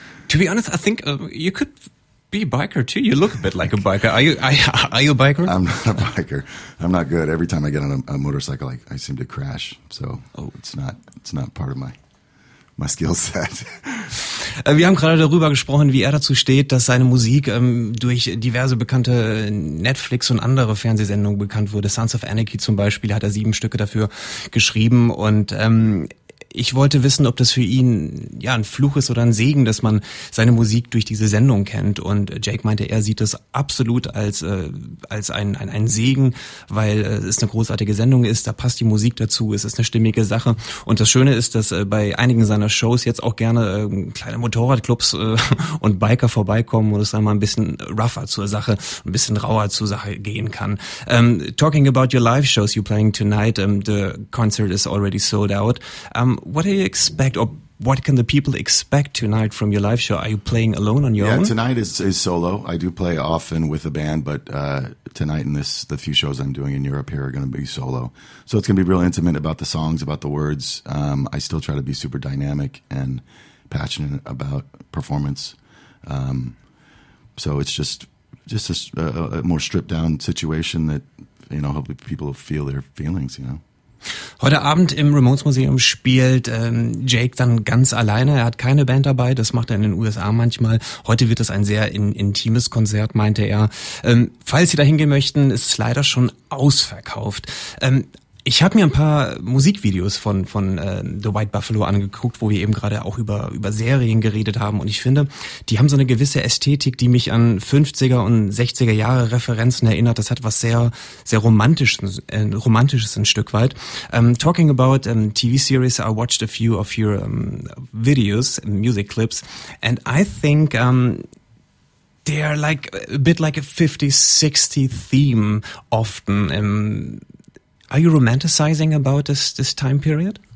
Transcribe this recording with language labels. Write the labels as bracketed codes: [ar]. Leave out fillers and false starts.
[en] To be honest, I think you could be a biker too. You look a bit like a biker. Are you a biker? I'm not a biker. I'm not good. Every time I get on a motorcycle, I seem to crash. So it's not part of my skill set. [de] Wir haben gerade darüber gesprochen, wie er dazu steht, dass seine Musik durch diverse bekannte Netflix und andere Fernsehsendungen bekannt wurde. Sons of Anarchy zum Beispiel hat er 7 Stücke dafür geschrieben und ich wollte wissen, ob das für ihn ja ein Fluch ist oder ein Segen, dass man seine Musik durch diese Sendung kennt. Und Jake meinte, er sieht das absolut als ein Segen, weil es eine großartige Sendung ist, da passt die Musik dazu, es ist eine stimmige Sache. Und das Schöne ist, dass bei einigen seiner Shows jetzt auch gerne kleine Motorradclubs und Biker vorbeikommen und es dann mal ein bisschen rougher zur Sache, ein bisschen rauer zur Sache gehen kann. [en] Talking about your live shows you're playing tonight, the concert is already sold out. What do you expect, or what can the people expect tonight from your live show? Are you playing alone on your own? Yeah, tonight is solo. I do play often with a band, but tonight and the few shows I'm doing in Europe here are going to be solo. So it's going to be real intimate about the songs, about the words. I still try to be super dynamic and passionate about performance. So it's just a more stripped down situation that, you know, hopefully people feel their feelings, you know. [de] Heute Abend im Ramones Museum spielt Jake dann ganz alleine. Er hat keine Band dabei, das macht er in den USA manchmal. Heute wird es ein sehr intimes Konzert, meinte er. Falls Sie da hingehen möchten, ist es leider schon ausverkauft. Ich habe mir ein paar Musikvideos von The White Buffalo angeguckt, wo wir eben gerade auch über Serien geredet haben. Und ich finde, die haben so eine gewisse Ästhetik, die mich an 50er und 60er Jahre Referenzen erinnert. Das hat was sehr, sehr Romantisches ein Stück weit. [en] Talking about TV series, I watched a few of your videos, music clips. And I think they are like a bit like a 50s-60s theme often. Are you romanticizing about this time period?